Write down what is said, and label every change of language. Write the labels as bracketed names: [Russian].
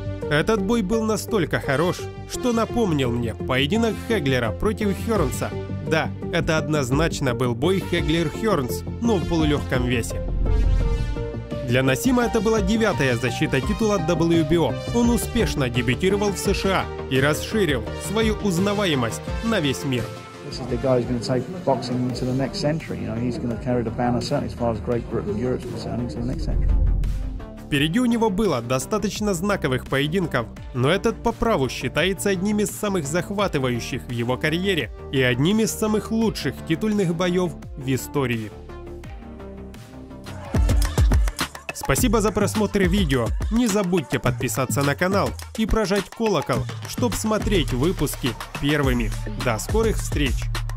[Russian] Этот бой был настолько хорош, что напомнил мне поединок Хеглера против Хёрнса. Да, это однозначно был бой Хеглер-Хёрнс, но в полулегком весе. Для Насима это была 9-я защита титула WBO. Он успешно дебютировал в США и расширил свою узнаваемость на весь мир. [English] This is the guy who's going to take boxing to the next century. You know, he's going to carry the banner certainly as far as Great Britain and Europe is concerned into the next century. [Russian] Впереди у него было достаточно знаковых поединков, но этот по праву считается одним из самых захватывающих в его карьере и одним из самых лучших титульных боев в истории. Спасибо за просмотр видео. Не забудьте подписаться на канал и прожать колокол, чтобы смотреть выпуски первыми. До скорых встреч!